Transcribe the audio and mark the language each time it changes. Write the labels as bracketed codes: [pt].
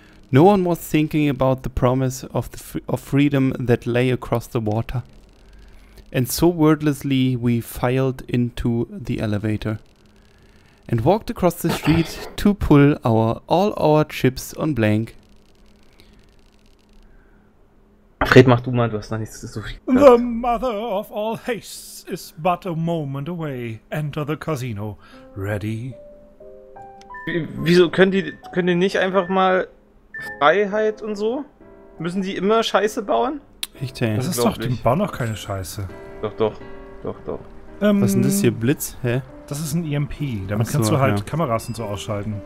[en] No one was thinking about the promise of the of freedom that lay across the water. And so wordlessly we filed into the elevator and walked across the street to pull all our chips on blank. [de] Fred, mach du mal, du hast noch nichts so viel gehört. [en] The mother of all hastes is but a moment away. Enter the casino. Ready? [de] Wieso können die nicht einfach mal Freiheit und so? Müssen die immer Scheiße bauen? Ich denke. Das ist doch, die bauen doch keine Scheiße. Doch, doch. Doch, doch. Was ist denn das hier? Blitz? Hä? Das ist ein EMP. Damit Achso, kannst du halt ja. Kameras und so ausschalten.